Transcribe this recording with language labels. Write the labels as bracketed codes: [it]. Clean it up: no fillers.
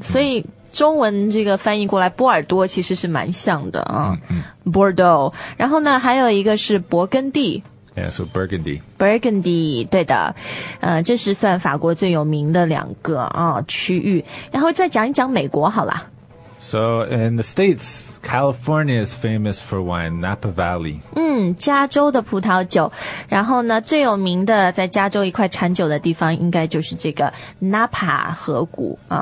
[zh] 所以中文这个翻译过来波尔多其实是蛮像的啊。 [en] Bordeaux. [zh] 然后呢还有一个是勃艮第。 [en] Yeah, so Burgundy. [zh] Burgundy, 对的。这是算法国最有名的两个啊区域。然后再讲一讲美国好啦。 [en] So, in the States, California is famous for wine, Napa Valley. [zh] 加州的葡萄酒。然后呢最有名的在加州一块产酒的地方应该就是这个 Napa 河谷。